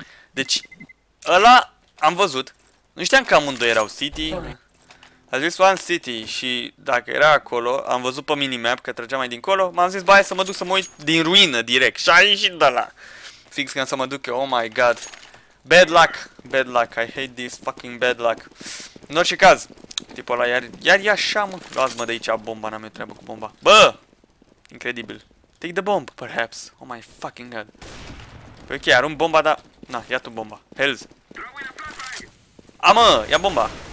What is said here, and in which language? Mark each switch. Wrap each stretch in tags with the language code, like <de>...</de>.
<ro>Deci ăla am văzut. Nu știam că amândoi erau City. A zis One City și dacă era acolo, am văzut pe minimap că trăgea mai dincolo, m-am zis, băi, să mă duc să mă uit din ruină direct. Și a ieșit de la. Fix când să mă duc eu,</ro> <en>oh my god. Bad luck, bad luck, I hate this fucking bad luck.</en> <ro>În orice caz, tipul ăla iar e așa, mă. Luați-mă de aici bomba, n-am eu treabă cu bomba. Bă! Incredibil.</ro> <en>Take the bomb, perhaps. Oh my fucking god.</en> <ro>Păi ok, arunc bomba, dar... Na, ia tu bomba. Hells. A, mă, ia bomba.</ro>